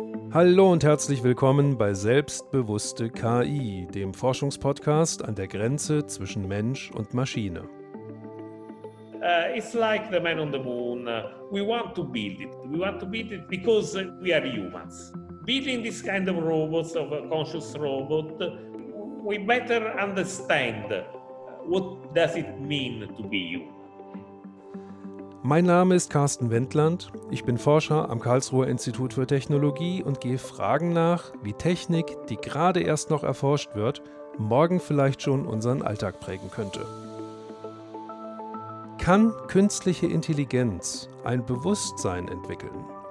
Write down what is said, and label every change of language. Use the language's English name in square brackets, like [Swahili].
[German] Hallo und herzlich willkommen bei Selbstbewusste KI, dem Forschungspodcast an der Grenze zwischen Mensch und Maschine. [English] It's like the man on the moon. We want to build it. We want to build it because we are humans. Building this kind of robots, of a conscious robot, we better understand what does it mean to be human. [German] Mein Name ist Carsten Wendland. Ich bin Forscher am Karlsruher Institut für Technologie und gehe Fragen nach, wie Technik, die gerade erst noch erforscht wird, morgen vielleicht schon unseren Alltag prägen könnte. Kann künstliche Intelligenz ein Bewusstsein entwickeln?